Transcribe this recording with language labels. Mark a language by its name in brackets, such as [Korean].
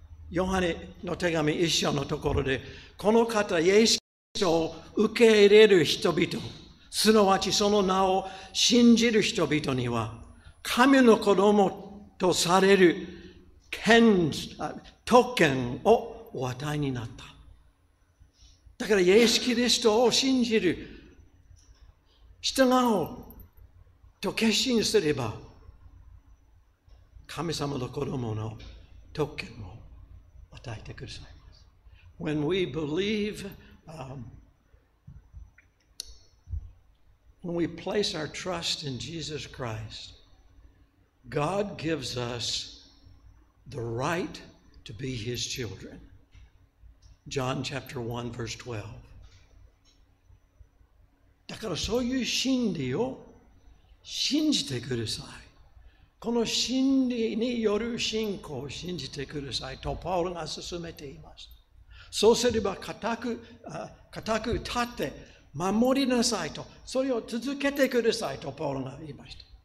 [Japanese] ヨハネの手紙一章のところで、この方、イエス・キリストを受け入れる人々、すなわちその名を信じる人々には、神の子供とされる権、特権をお与えになった。だから、イエス・キリストを信じる、従おうと決心すれば、神様の子供の特権を与えてくださいます。 [English] When we believe, When we place our trust in Jesus Christ, God gives us the right to be His children. John chapter 1, verse 12. [Japanese] だからそういう真理を信じてください。この真理による信仰を信じてください。とパウロが進めています。そうすれば固く立って、守りなさいと、それを続けてくださいとパウロが言いました。